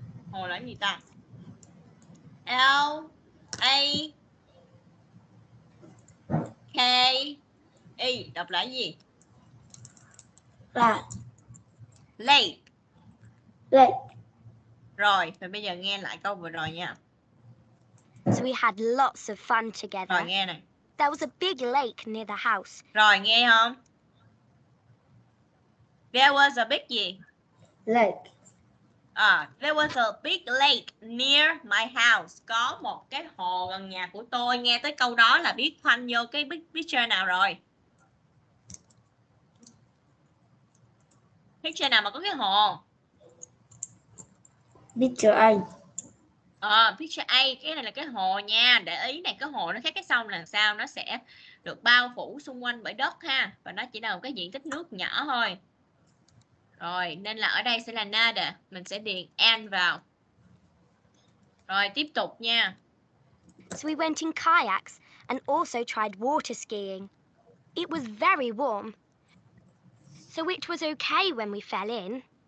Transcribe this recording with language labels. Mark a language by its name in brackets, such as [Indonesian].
[Vietnamese] Hồ là gì ta? L A K E. Đọc là gì? [English] Lake. Lake. [Vietnamese] Rồi, và bây giờ nghe lại câu vừa rồi nha. [English] So we had lots of fun together. [Vietnamese] Rồi nghe này. [English] There was a big lake near the house. [Vietnamese] Rồi nghe không? [English] There was a big gì? Lake. There was a big lake near my house. [Vietnamese] Có một cái hồ gần nhà của tôi. Nghe tới câu đó là biết khoanh vô cái big picture nào rồi. Picture nào mà có cái hồ? [English] Picture A. [Vietnamese] Picture A, cái này là cái hồ nha. Để ý này, cái hồ nó khác cái sông là sao. Nó sẽ được bao phủ xung quanh bởi đất ha. Và nó chỉ là một cái diện tích nước nhỏ thôi. Rồi, nên là ở đây sẽ là nada. Mình sẽ điền N vào. Rồi, tiếp tục nha. [English] So we went in kayaks and also tried water skiing. It was very warm. So it was okay when we fell in.